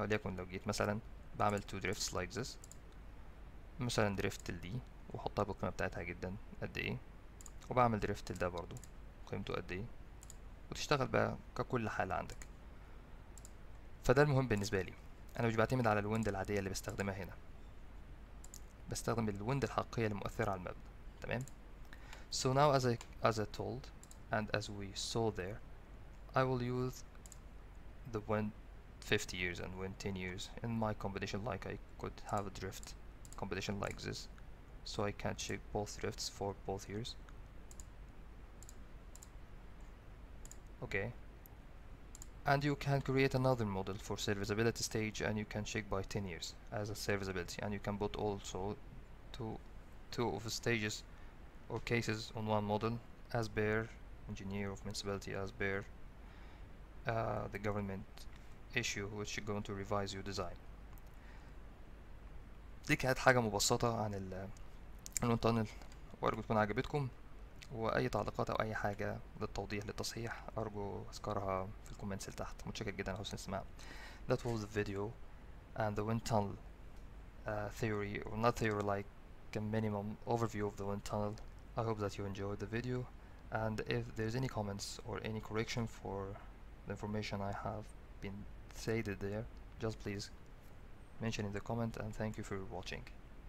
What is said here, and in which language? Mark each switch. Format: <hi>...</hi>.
<ar>وليكن لو جيت مثلا بعمل</ar> <en>two drifts like this,</en> <ar>مثلا دريفت دي وحطها بالقيمة بتاعتها جدا قد ايه, وبعمل دريفت ده برضو قيمته قد ايه, وتشتغل بقى ككل حالة عندك. فده المهم بالنسبة لي, أنا مش بعتمد على الويند العادية اللي بستخدمها هنا, بستخدم الويند الحقيقية المؤثرة على المبنى. تمام,</ar> <en>so now as I told and as we saw there, I will use the wind 50 years and wind 10 years in my competition, like I could have a drift competition like this, so I can check both drifts for both years. Okay, and you can create another model for serviceability stage, and you can check by 10 years as a serviceability, and you can put also two of the stages or cases on one model as per engineer of municipality, as per the government issue which is going to revise your design.</en> <ar>دي كانت حاجة مبسطة عن ال الوين تانل, وأرجو تكون عجبتكم. وأي تعليقات أو أي حاجة للتوضيح للتصحيح أرجو أذكرها في الكومنتس اللي تحت. متشكر جدا على حسن الاستماع.</ar> <en>That was the video and the wind tunnel theory, or not theory, like a minimum overview of the wind tunnel. I hope that you enjoyed the video, and if there's any comments or any correction for the information I have been stated there, just please mention in the comment, and thank you for watching.</en>